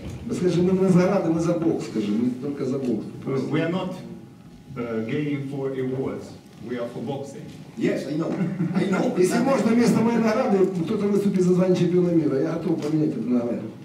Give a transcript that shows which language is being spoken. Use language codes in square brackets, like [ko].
[ru] Скажи, мы не за награды, мы за бокс, скажи, мы только за бокс. [en] We are not gaining for awards, we are for boxing. Yes, I know. [ru] Если можно, вместо моей награды кто-то выступит за звание чемпиона мира, я готов поменять эту награду.